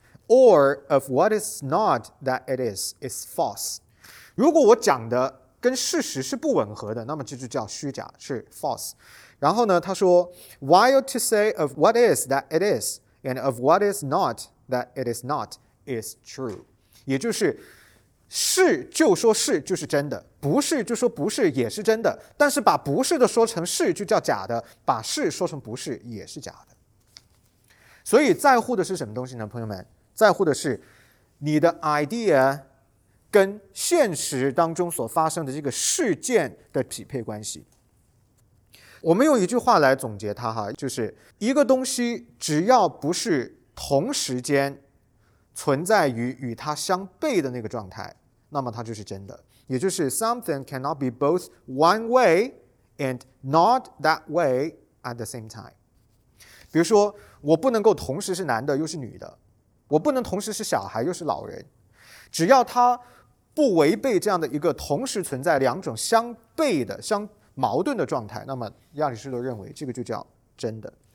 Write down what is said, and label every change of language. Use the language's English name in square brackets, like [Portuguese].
[English] Or of what is not that it is false. [Chinese] 如果我讲的跟事实是不吻合的，那么这就叫虚假，是 false. 然后呢，他说 [English] ，While to say of what is that it is, and of what is not that it is not is true. [Chinese] 也就是是就说是就是真的，不是就说不是也是真的。但是把不是的说成是就叫假的，把是说成不是也是假的。所以在乎的是什么东西呢，朋友们？在乎的是你的 idea 跟现实当中所发生的这个事件的匹配关系。我们用一句话来总结它哈，就是一个东西只要不是同时间存在于与它相悖的那个状态，那么它就是真的。也就是 [English] something cannot be both one way and not that way at the same time。 [Chinese] 比如说我不能够同时是男的又是女的，我不能同时是小孩又是老人，只要他不违背这样的一个同时存在两种相悖的相矛盾的状态，那么亚里士多认为这个就叫真的。